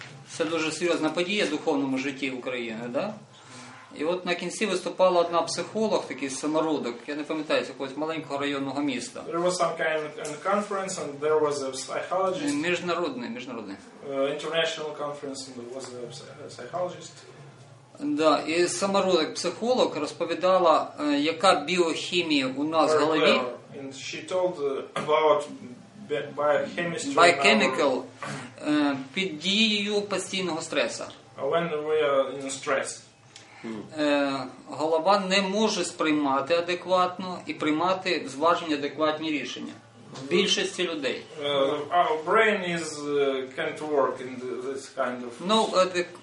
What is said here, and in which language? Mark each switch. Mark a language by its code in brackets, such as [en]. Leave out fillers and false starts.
[uk] Це дуже серйозна подія в духовному житті України, да? І от на кінці виступала одна психолог, такий самородок, я не пам'ятаю, з якогось маленького районного міста. [en] There was some kind of conference and there was a psychologist. [uk] Міжнародний. [en] International conference and there was a psychologist. [uk] Да, і самородок психолог розповідала, яка біохімія у нас в голові. [en] And she told about biochemistry. [uk] Biochemical під дією постійного стресу. [en] When we are in stress. [uk] Голова не може сприймати адекватно і приймати зважені адекватні рішення. В більшості людей. [en] Our brain is can't work in this kind of